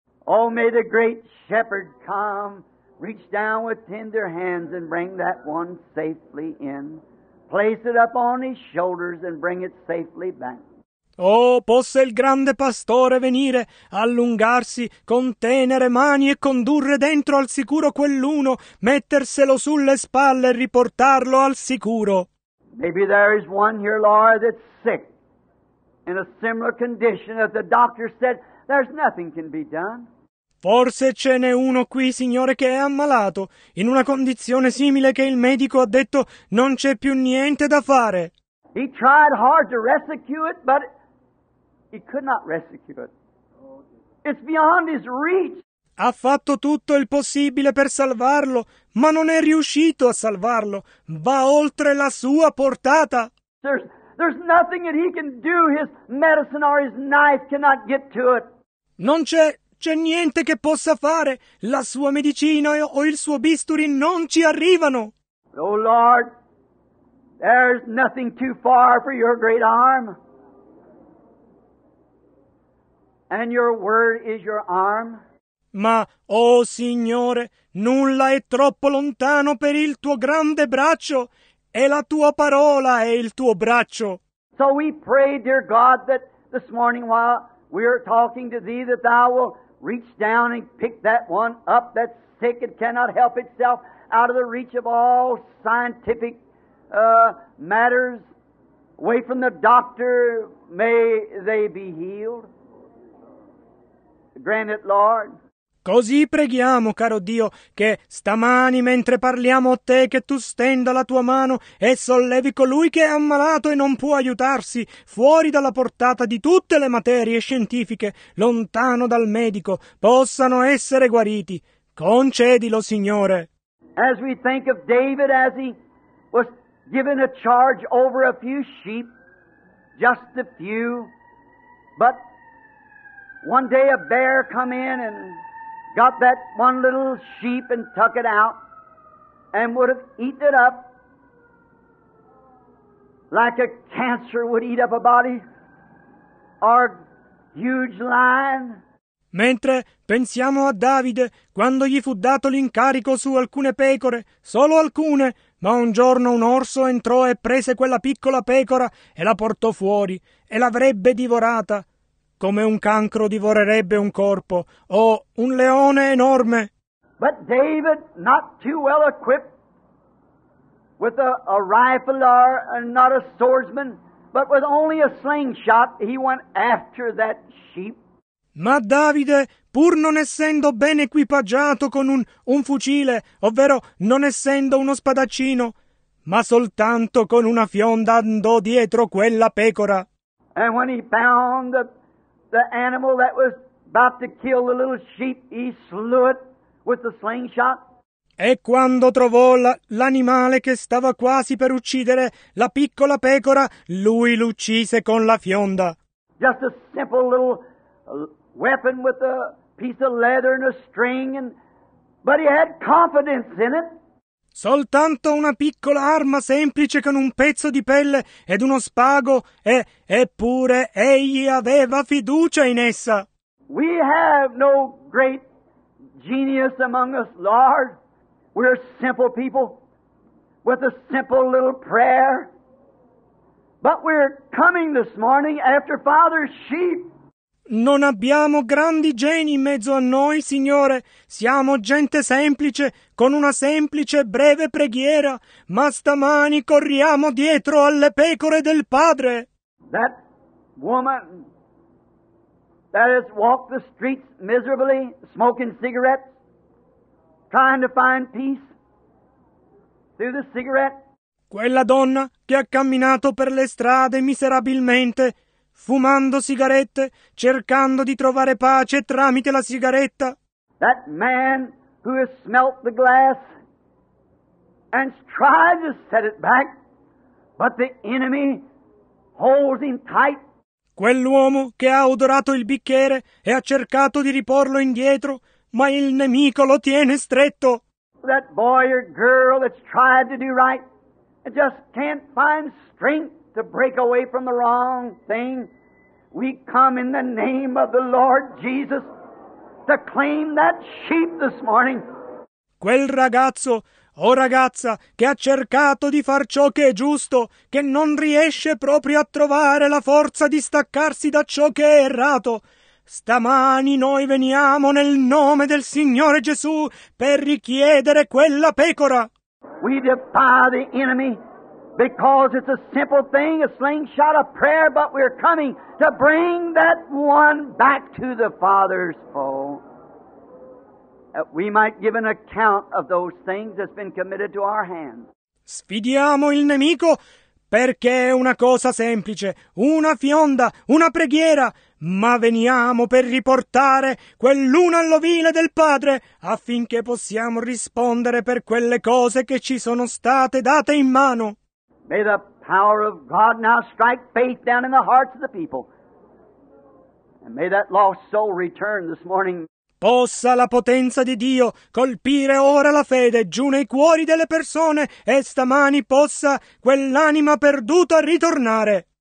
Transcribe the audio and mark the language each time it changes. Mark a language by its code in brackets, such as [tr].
[en] Oh, may the great shepherd come, reach down with tender hands and bring that one safely in. Place it up on his shoulders and bring it safely back. [it] Oh, possa il grande pastore venire, allungarsi con tenere mani e condurre dentro al sicuro quell'uno, metterselo sulle spalle e riportarlo al sicuro. [en] Maybe there is one here, Lord, that's sick in a similar condition that the doctor said there's nothing can be done. [it] Forse ce n'è uno qui, Signore, che è ammalato in una condizione simile che il medico ha detto non c'è più niente da fare. [en] He tried hard to rescue it, but he could not rescue it. It's beyond his reach. [it] Ha fatto tutto il possibile per salvarlo, ma non è riuscito a salvarlo. Va oltre la sua portata. [en] There's nothing that he can do. His medicine or his knife cannot get to it. [it] Non c'è niente che possa fare. La sua medicina o il suo bisturi non ci arrivano. [en] Oh Lord, there's nothing too far for your great arm. And your word is your arm. [it] Ma, oh Signore, nulla è troppo lontano per il tuo grande braccio. E la tua parola è il tuo braccio. [en] So we pray, dear God, that this morning while we are talking to thee, that thou will reach down and pick that one up that's sick and cannot help itself out of the reach of all scientific matters, away from the doctor, may they be healed. Grant it, Lord. [it] Così preghiamo, caro Dio, che stamani, mentre parliamo a te, che tu stenda la tua mano e sollevi colui che è ammalato e non può aiutarsi, fuori dalla portata di tutte le materie scientifiche, lontano dal medico, possano essere guariti. Concedilo, Signore. [en] As we think of David, as he was given a charge over a few sheep, just a few, but one day a bear come in and got that one little sheep and took it out and would have eaten it up like a cancer would eat up a body or a huge lion. [it] Mentre pensiamo a Davide, quando gli fu dato l'incarico su alcune pecore, solo alcune, ma un giorno un orso entrò e prese quella piccola pecora e la portò fuori e l'avrebbe divorata, come un cancro divorerebbe un corpo, o un leone enorme. [en] But David, not too well equipped with a rifle or not a swordsman, but with only a slingshot, he went after that sheep. [it] Ma Davide, pur non essendo ben equipaggiato con un fucile, ovvero non essendo uno spadaccino, ma soltanto con una fionda andò dietro quella pecora. [en] And when he found the animal that was about to kill the little sheep, he slew it with the slingshot. [it] E quando trovò l'animale che stava quasi per uccidere la piccola pecora, lui l'uccise con la fionda. [en] Just a simple little weapon with a piece of leather and a string, but he had confidence in it. [it] Soltanto una piccola arma semplice con un pezzo di pelle ed uno spago, eppure egli aveva fiducia in essa. [en] We have no great genius among us, Lord. We're simple people with a simple little prayer. But we're coming this morning after Father's sheep. [it] Non abbiamo grandi geni in mezzo a noi, Signore. Siamo gente semplice, con una semplice e breve preghiera. Ma stamani corriamo dietro alle pecore del Padre. [en] That woman that has walked the streets miserably, smoking cigarettes, trying to find peace through the cigarette. [it] Quella donna che ha camminato per le strade miserabilmente, fumando sigarette, cercando di trovare pace tramite la sigaretta. [en] That man who has smelt the glass and tried to set it back, but the enemy holds him tight. [it] Quell'uomo che ha odorato il bicchiere e ha cercato di riporlo indietro, ma il nemico lo tiene stretto. [en] That boy or girl that's tried to do right and just can't find strength to break away from the wrong thing, we come in the name of the Lord Jesus to claim that sheep this morning. [it] Quel ragazzo o ragazza che ha cercato di far ciò che è giusto, che non riesce proprio a trovare la forza di staccarsi da ciò che è errato, stamani noi veniamo nel nome del Signore Gesù per richiedere quella pecora. [en] We defy the enemy because it's a simple thing, a slingshot of prayer, but we're coming to bring that one back to the Father's fold, that we might give an account of those things that's been committed to our hands. [it] Sfidiamo il nemico perché è una cosa semplice, una fionda, una preghiera, ma veniamo per riportare quell'una all'ovile del Padre affinché possiamo rispondere per quelle cose che ci sono state date in mano. [en] May the power of God now strike faith down in the hearts of the people. And may that lost soul return this morning. [it] Possa la potenza di Dio colpire ora la fede giù nei cuori delle persone e stamani possa quell'anima perduta ritornare.